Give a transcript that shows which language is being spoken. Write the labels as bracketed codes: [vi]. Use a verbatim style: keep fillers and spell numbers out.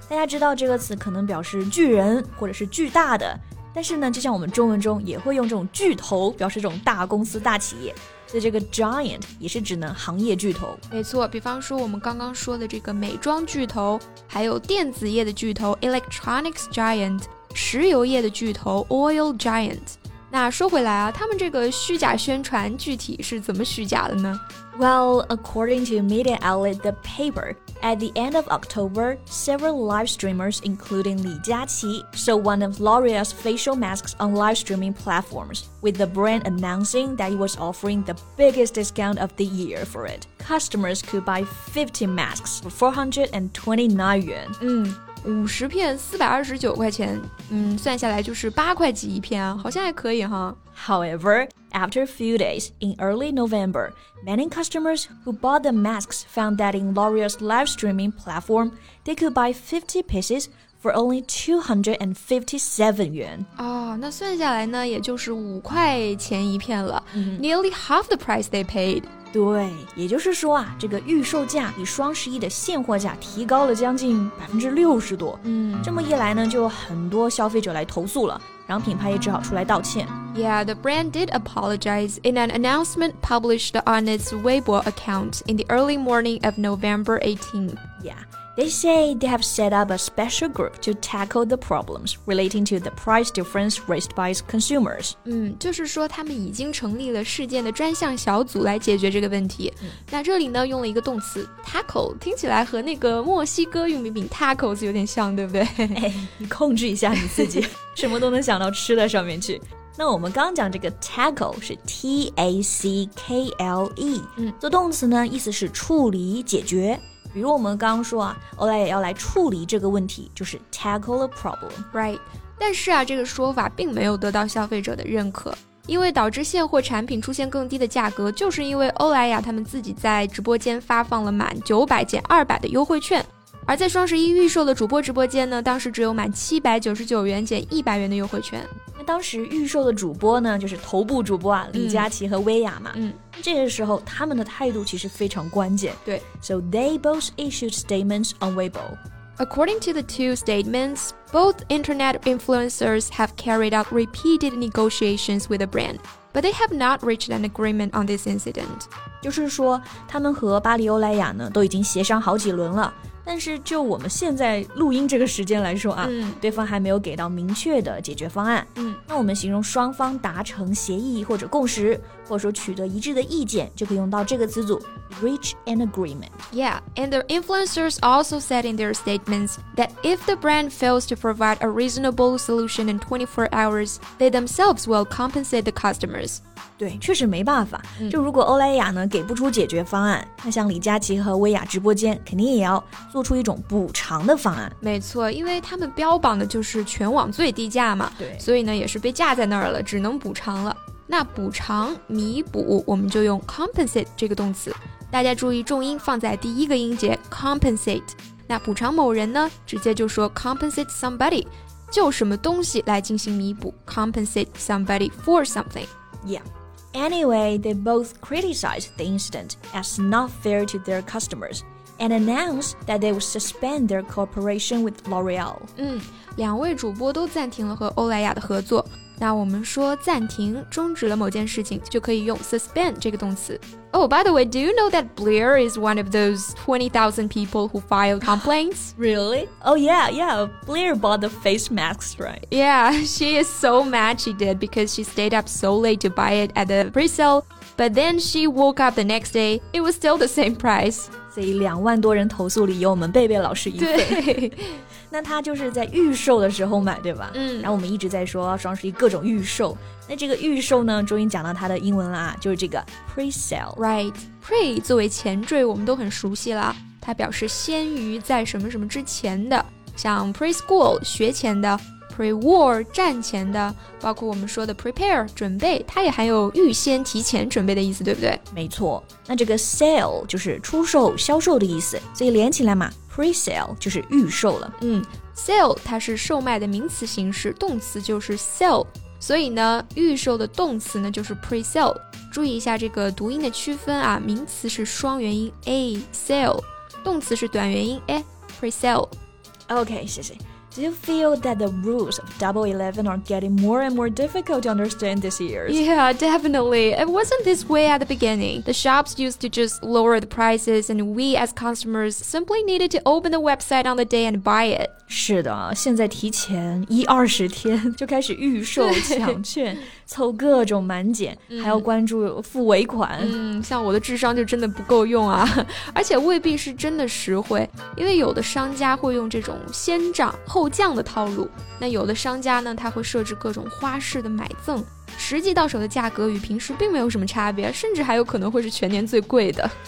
[zh] 大家知道这个词可能表示巨人或者是巨大的，但是呢就像我们中文中也会用这种巨头表示这种大公司、大企业，所以这个 giant 也是指呢行业巨头。没错，比方说我们刚刚说的这个美妆巨头，还有电子业的巨头 [en] electronics giant， [zh] 石油业的巨头 [en] oil giant。 [zh] 那说回来啊，他们这个虚假宣传具体是怎么虚假的呢？ [en] Well, according to media outlet The Paper, at the end of October, several live streamers including Li Jiaqi sold one of L'Oreal's facial masks on live streaming platforms, with the brand announcing that it was offering the biggest discount of the year for it. Customers could buy fifty masks for four hundred twenty-nine yuan. [zh] 嗯，五十片四百二十九块钱，嗯，算下来就是八块几一片啊，好像还可以哈。 [en] However, after a few days, in early November, many customers who bought the masks found that in L'Oreal's live streaming platform, they could buy fifty pieces for only two hundred fifty-seven yuan. [zh] 哦，那算下来呢，也就是五块钱一片了，嗯， [en] nearly half the price they paid. [zh] 对，也就是说啊，这个预售价比双十一的现货价提高了将近百分之六十多。嗯，这么一来呢，就有很多消费者来投诉了，然后品牌也只好出来道歉。 [en] Yeah, the brand did apologize in an announcement published on its Weibo account in the early morning of November eighteenth. Yeah, they say they have set up a special group to tackle the problems relating to the price difference raised by consumers. [zh] 嗯，就是说他们已经成立了事件的专项小组来解决这个问题。嗯，那这里呢用了一个动词 tackle， 听起来和那个墨西哥玉米饼 tacos 有点像，对不对？哎，你控制一下你自己。什么都能想到吃的上面去。那我们刚讲这个 tackle 是 T A C K L E，嗯，做动词呢意思是处理解决，比如我们刚刚说啊，欧莱也要来处理这个问题，就是 [en] tackle a problem。 [zh] Right， 但是啊这个说法并没有得到消费者的认可，因为导致现货产品出现更低的价格，就是因为欧莱雅他们自己在直播间发放了满九百减二百的优惠券，而在双十一预售的主播直播间呢，当时只有满七百九十九元减一百元的优惠券。那当时预售的主播呢，就是头部主播啊，李佳琦和薇娅嘛，嗯，这个时候他们的态度其实非常关键。对 [en] ，So they both issued statements on Weibo. According to the two statements, both internet influencers have carried out repeated negotiations with the brand, but they have not reached an agreement on this incident. [zh] 就是说，他们和巴黎欧莱雅呢，都已经协商好几轮了，但是就我们现在录音这个时间来说啊，嗯，对方还没有给到明确的解决方案。嗯，那我们形容双方达成协议或者共识，或者说取得一致的意见，就可以用到这个词组。 [en] Reach an agreement. Yeah, and the influencers also said in their statements that if the brand fails to provide a reasonable solution in twenty-four hours, they themselves will compensate the customers. [zh] 对，确实没办法。就如果欧莱雅呢给不出解决方案，那像李佳琦和薇娅直播间肯定也要做出一种补偿的方案。没错，因为他们标榜的就是全网最低价嘛，对，所以呢也是被架在那儿了，只能补偿了。那补偿弥补我们就用 compensate 这个动词，大家注意重音放在第一个音节 compensate。那补偿某人呢直接就说 [en] compensate somebody， [zh] 就什么东西来进行弥补， [en] compensate somebody for something。 Yeah, anyway, they both criticized the incident as not fair to their customers and announced that they would suspend their cooperation with L'Oreal. [zh] 嗯，两位主播都暂停了和欧莱雅的合作。那我们说暂停终止了某件事情，就可以用 suspend 这个动词。 [en] Oh, by the way, do you know that Blair is one of those twenty thousand people who filed complaints? Really? Oh yeah, yeah, Blair bought the face masks, right? Yeah, she is so mad she did because she stayed up so late to buy it at the pre-sale, but then she woke up the next day, it was still the same price. [zh] 所以两万多人投诉里有我们贝贝老师一份。那他就是在预售的时候买，对吧？嗯，然后我们一直在说双十一各种预售，那这个预售呢终于讲到它的英文啦，就是这个 pre-sale。 Right, pre 作为前缀我们都很熟悉了，它表示先于在什么什么之前的，像 pre-school 学前的， pre-war 战前的，包括我们说的 prepare 准备，它也含有预先提前准备的意思，对不对？没错，那这个 sale 就是出售销售的意思，所以连起来嘛， pre-sale 就是预售了。嗯， sale 它是售卖的名词形式，动词就是 sell， 所以呢预售的动词呢就是 pre-sale。注意一下这个读音的区分啊，名词是双元音 [en] a sale， [zh] 动词是短元音 [en] a pre-sale。 [zh] OK， 谢谢。 [en] Do you feel that the rules of Double Eleven are getting more and more difficult to understand this year? Yeah, definitely. It wasn't this way at the beginning. The shops used to just lower the prices, and we as consumers simply needed to open the website on the day and buy it. [zh] 是的，现在提前一二十天就开始预售抢券，凑各种满减，还要关注付尾款。嗯，像我的智商就真的不够用啊，而且未必是真的实惠，因为有的商家会用这种先涨后降的套路，那有的商家呢他会设置各种花式的买赠，实际到手的价格与平时并没有什么差别，甚至还有可能会是全年最贵的，